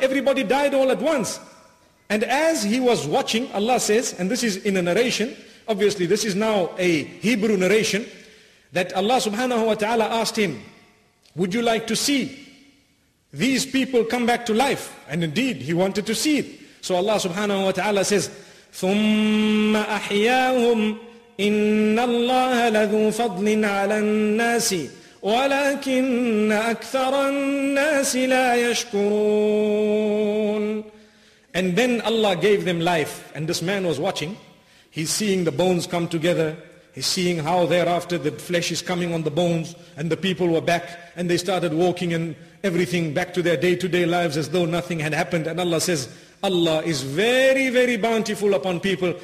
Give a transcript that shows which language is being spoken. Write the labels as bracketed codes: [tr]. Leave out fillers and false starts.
[en] Everybody died all at once. And as he was watching, Allah says, and this is in a narration, obviously this is now a Hebrew narration, that Allah subhanahu wa ta'ala asked him, would you like to see these people come back to life? And indeed, he wanted to see it. So Allah subhanahu wa ta'ala says, [ar] ثُمَّ أَحْيَاهُمْ إِنَّ اللَّهَ لَذُو فَضْلٍ عَلَى النَّاسِ ولكن أكثر الناس لا يشكرون. [en] And then Allah gave them life, and this man was watching. He's seeing the bones come together. He's seeing how thereafter the flesh is coming on the bones, and the people were back, and they started walking and everything back to their day-to-day lives as though nothing had happened. And Allah says, Allah is very, very bountiful upon people.